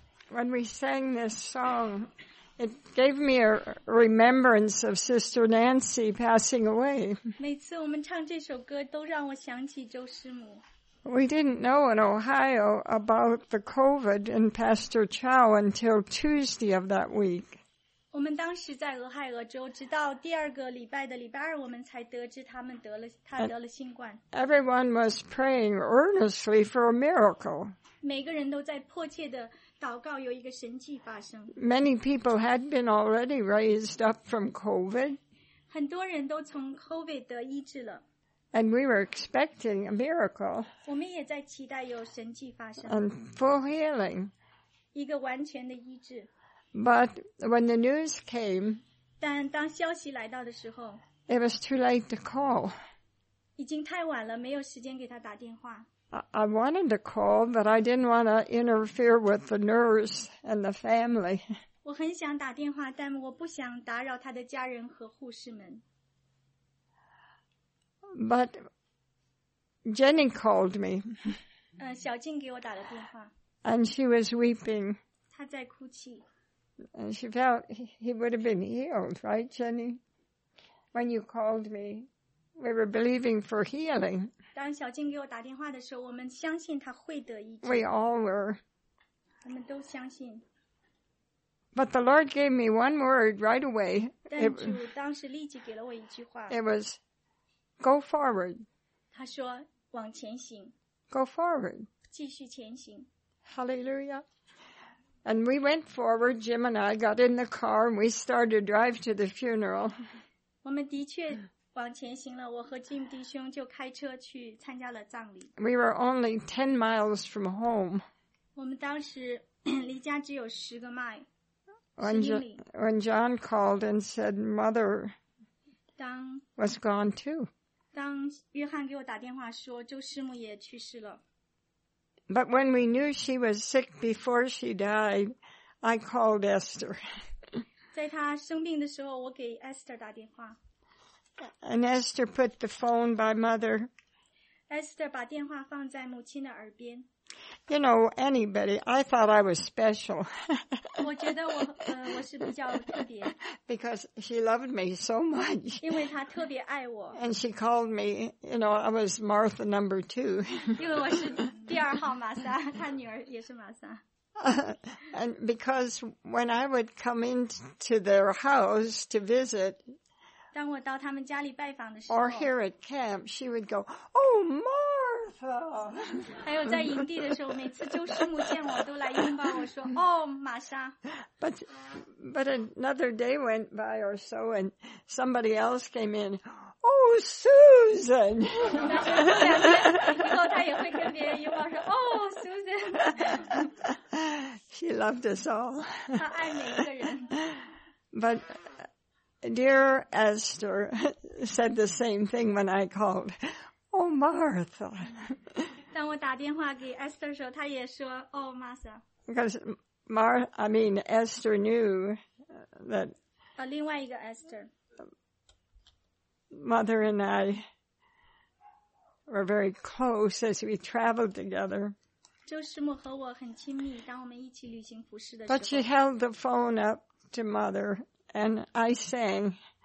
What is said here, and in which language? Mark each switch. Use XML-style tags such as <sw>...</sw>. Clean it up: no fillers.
<en>When we sang this song, it gave me a remembrance of Sister Nancy passing away.</en> <zh>每次我们唱这首歌，都让我想起周师母。</zh> <en>We didn't know in Ohio about the COVID and Pastor Chow until Tuesday of that week.</en> <zh>我们当时在俄亥俄州，直到第二个礼拜的礼拜二，我们才得知他得了新冠。</zh> <en>Everyone was praying earnestly for a miracle.</en> <zh>每个人都在迫切的。</zh> <en>Many people had been already raised up from COVID.</en> <zh>很多人都从 COVID 得医治了。</zh> <en>And we were expecting a miracle.</en> <zh>我们也在期待有神迹发生。</zh> <en>And full healing.</en> <zh>一个完全的医治。</zh> <en>But when the news came,</en> <zh>但当消息来到的时候</zh> <en>it was too late to call.</en> <zh>已经太晚了，没有时间给他打电话。</zh> <en>I wanted to call, but I didn't want to interfere with the nurse and the family.</en> <zh>我很想打电话，但我不想打扰他的家人和护士们。</zh> <en>But Jenny called me.</en> <zh>小静给我打了电话。</zh> <en>And she was weeping.</en> <zh>她在哭泣。</zh> <en>And she felt he would have been healed, right, Jenny? When you called me, we were believing for healing.</en> <zh>当小静给我打电话的时候，我们相信她会得医治。</zh> <en>We all were.</en> <zh>我们都相信。</zh> <en>But the Lord gave me one word right away.</en> <zh>但主当时立即给了我一句话。</zh> <en>It was. Go forward.</en> <zh>他说往前行。</zh> <en>Go forward.</en> <zh>继续前行。</zh> <en>Hallelujah. And we went forward, Jim and I got in the car and we started to drive to the funeral.</en> <zh>我们的确往前行了，我和 Jim 弟兄就开车去参加了葬礼。</zh> <en>We were only 10 miles from home.</en> <zh>我们当时离家只有十个 mile, 十英里。</zh> <en>When John called and said, Mother,was gone too.</en> <zh>当约翰给我打电话说周师母也去世了。</zh> <en>But when we knew she was sick before she died, I called Esther.</en> <zh>在她生病的时候我给 Esther 打电话。</zh> <en>And Esther put the phone by mother.</en> <zh>Esther 把电话放在母亲的耳边。</zh> <en>You know, anybody, I thought I was special.</en> <zh>我觉得我是比较特别。</zh> <en>Because she loved me so much.</en> <zh>因为她特别爱我。</zh> <en>And she called me, you know, I was Martha number two.</en> <zh>因为我是第二号玛莎，她女儿也是玛莎。</zh> <en>And because when I would come into their house to visit,</en> <zh>当我到他们家里拜访的时候</zh> <en>or here at camp, she would go, Oh, Martha!</en> <zh>还有在营地的时候每次周师母见我都来拥抱我说哦玛莎</zh> <en>but another day went by or so and somebody else came in oh Susan</en> <zh>以后他也会跟别人拥抱说哦 Susan</zh> <en>she loved us all</en> <zh>他爱每一个人</zh> <en>butdear Esther said the same thing when I calledOh, Martha.</en> <zh>当我打电话给 Esther 的时候，她也说</zh> <en>"Oh, Martha." Because Esther knew that.</en> <zh>另外一个 Esther.</zh> <en>Mother and I were very close as we traveled together.</en> <zh>周师母和我很亲密，当我们一起旅行服侍的时候。</zh> <en>But she held the phone up to Mother, and I sang.</en>